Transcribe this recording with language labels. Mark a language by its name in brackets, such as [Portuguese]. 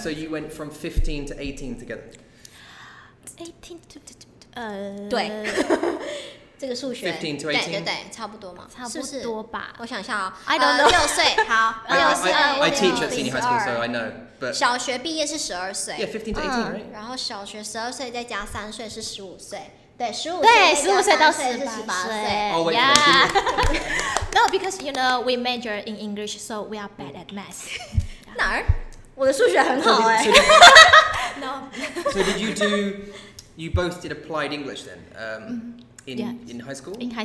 [English] So you went from 15 to 18 together. 18 to... [Chinese] 对这个数学 [English] 15 to 18. [Chinese] 对差不多嘛差不多吧我想一下 [English] 哦 I don't know. [Chinese] 6岁好 [English] I teach at senior high school, so I know. But [Chinese] 小学毕业是12岁 [English] Yeah, 15 to 18, right? [Chinese] 然后小学12岁再加3岁是15岁对15岁对 15岁到 18岁是18岁 [English] Oh, wait, yeah. No, because you know we major in English, so we are bad at math. [Chinese] No, 我的数学很好哎。 [English] No. So did you do? You both did applied English then, in high school. In high school,